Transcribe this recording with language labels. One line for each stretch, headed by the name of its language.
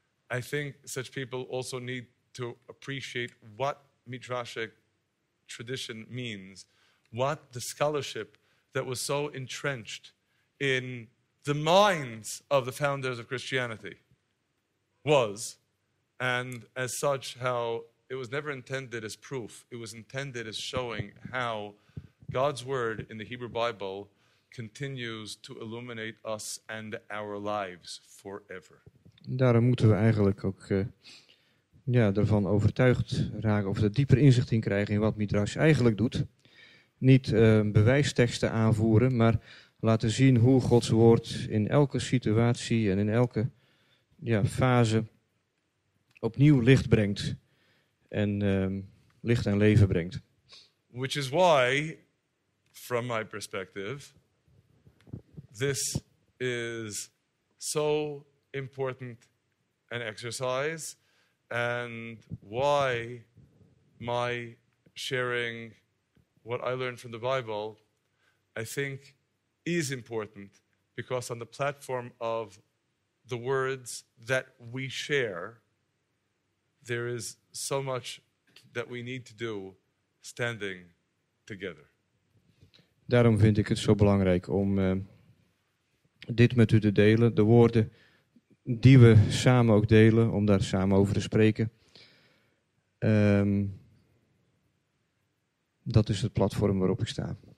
English: I think such people also need to appreciate what Midrashic tradition means, what the scholarship that was so entrenched in the minds of the founders of Christianity was, and as such, how it was never intended as proof. It was intended as showing how God's word in the Hebrew Bible continues to illuminate us and our lives forever.
Dutch: Daarom moeten we eigenlijk ook ervan overtuigd raken, of er dieper inzicht in krijgen in wat Midrash eigenlijk doet. Niet bewijsteksten aanvoeren, maar laten zien hoe Gods woord in elke situatie en in elke fase opnieuw licht brengt. En licht en leven brengt.
English: Which is why, from my perspective, this is so important an exercise, and why my sharing what I learned from the Bible, I think, is important, because on the platform of the words that we share, there is so much that we need to do standing together.
Dutch: Daarom vind ik het zo belangrijk om dit met u te delen, de woorden die we samen ook delen, om daar samen over te spreken. Dat is het platform waarop ik sta.